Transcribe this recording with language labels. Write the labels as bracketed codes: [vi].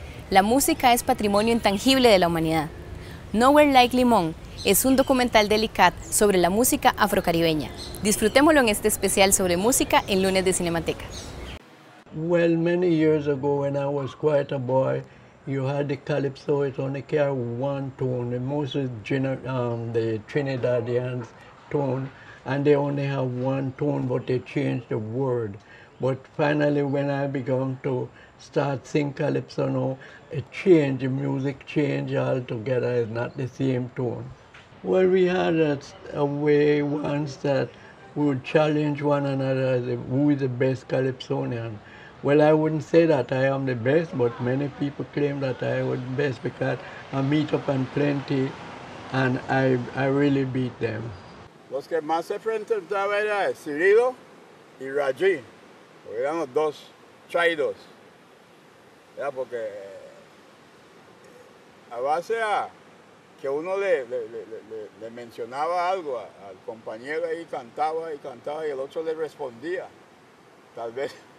[es] la música es patrimonio intangible de la humanidad. Nowhere Like Limón es un documental del ICAT sobre la música afrocaribeña. Disfrutémoslo en este especial sobre música en Lunes de Cinemateca. [en] Well, many years ago when I was quite a boy, you had the calypso, it only carried one tone, the Trinidadian tone, and they only have one tone, but they changed the word. But finally, when I began to start singing calypso now, it changed, the music changed altogether, it's not the same tone. Well, we had a way once that we would challenge one another as who is the best calypsonian. Well, I wouldn't say that I am the best, but many people claim that I was best because I meet up and plenty, and I really beat them. [es] Los que más se enfrentan era Cirilo y Rajin, porque eran los dos chaidos. Ya porque a base a que uno le mencionaba algo al compañero ahí cantaba y el otro le respondía, tal vez.